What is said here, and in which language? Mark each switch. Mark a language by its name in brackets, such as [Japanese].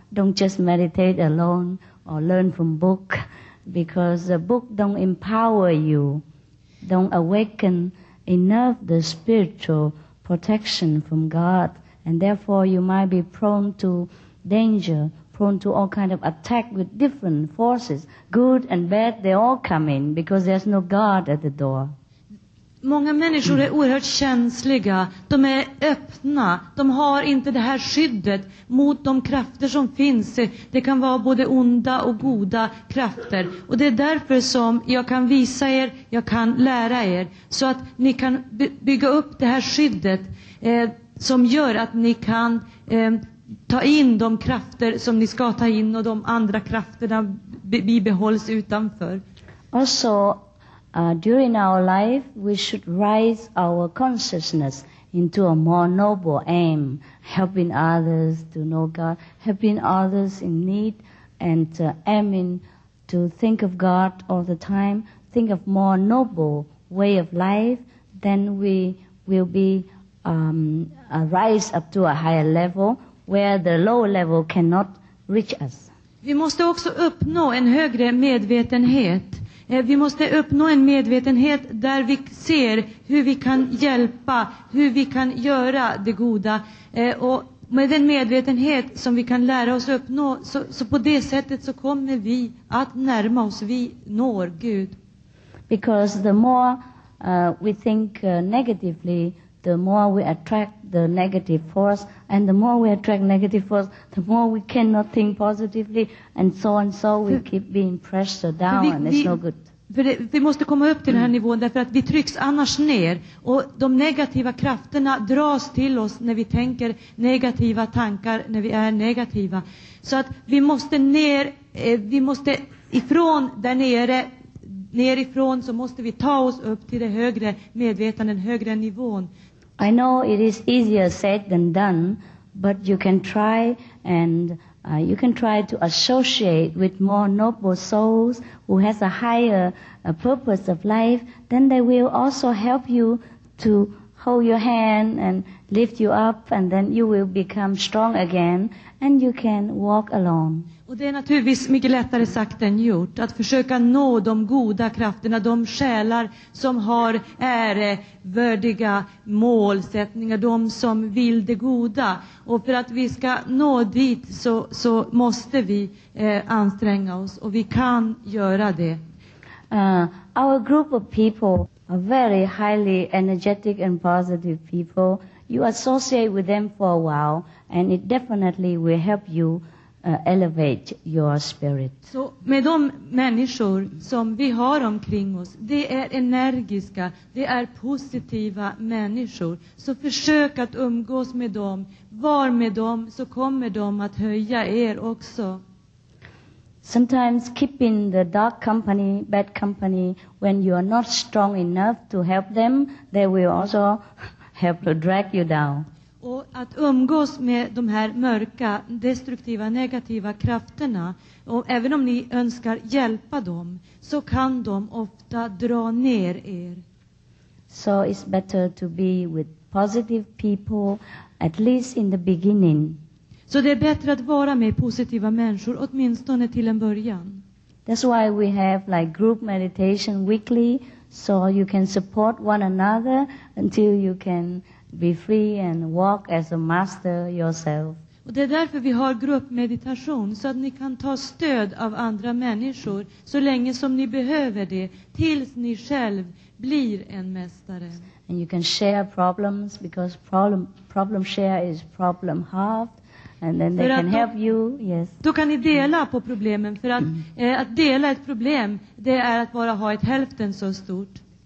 [English] Don't just meditate alone or learn from book, because the book don't empower you, don't awaken enough the spiritual protection from God, and therefore you might be prone to danger, prone to all kind of attack with different forces. Good and bad, they all come in because there's no God at the door. [Swedish] Många människor är oerhört känsliga. De är öppna. De har inte det här skyddet mot de krafter som finns. Det kan vara både onda och goda krafter. Och det är därför som jag kan visa er, jag kan lära er, så att ni kan bygga upp det här skyddet som gör att ni kan ta in de krafter som ni ska ta in, och de andra krafterna bibehålls utanför. [English] Also, during our life, we should raise our consciousness into a more noble aim, helping others to know God, helping others in need, and aiming to think of God all the time, think of more noble way of life. Then we will be rise up to a higher level where the lower level cannot reach us. [Swedish] Vi måste också uppnå en högre medvetenhet. Vi måste uppnå en medvetenhet där vi ser hur vi kan hjälpa, hur vi kan göra det goda. Och med den medvetenhet som vi kan lära oss uppnå, så på det sättet så kommer vi att närma oss, vi når Gud. [English] Because the more we think negatively, the more we attract the negative force, and the more we attract negative force, the more we cannot think positively, and so we keep being pressed down, and it's no good. [Swedish] Vi måste komma upp till den här nivån, därför att vi trycks annars ner, och de negativa krafterna dras till oss när vi tänker negativa tankar, när vi är negativa. Så att vi måste ner, vi måste ifrån där nere, nerifrån, så måste vi ta oss upp till det högre medvetandet, den högre nivån. [English] I know it is easier said than done, but you can try, and you can try to associate with more noble souls who has a higher purpose of life. Then they will also help you to hold your hand and lift you up, and then you will become strong again, and you can walk alone. [Swedish] Och det är naturligtvis mycket lättare sagt än gjort att försöka nå de goda krafterna, de själar som har ärevärdiga målsättningar, de som vill det goda. Och för att vi ska nå dit så måste vi anstränga oss, och vi kan göra det. [English] Our group of people are very highly energetic and positive people. You associate with them for a while, and it definitely will help you elevate your spirit. [Swedish] Så med de människor som vi har omkring oss, det är energiska, det är positiva människor. Så försök att umgås med dem. Var med dem så kommer de att höja er också. [English] Sometimes keep in the dark company, bad company, when you are not strong enough to help them, they will also help to drag you down. [Swedish] Och att umgås med de här mörka, destruktiva, negativa krafterna, och även om ni önskar hjälpa dem, så kan de ofta dra ner er. [English] So it's better to be with positive people, at least in the beginning. [Swedish] Så det är bättre att vara med positiva människor, åtminstone till en början. [English] That's why we have like group meditation weekly, so you can support one another until you can be free and walk as a master yourself. [Swedish] Och det är därför vi har gruppmeditation, så att ni kan ta stöd av andra människor så länge som ni behöver det, tills ni själv blir en mästare. [English] And you can share problems, because problem share is problem half. And then they can help you. Yes. [Swedish] Då kan ni dela på problemen, för att att dela ett problem, det är att bara ha ett hälften så stort.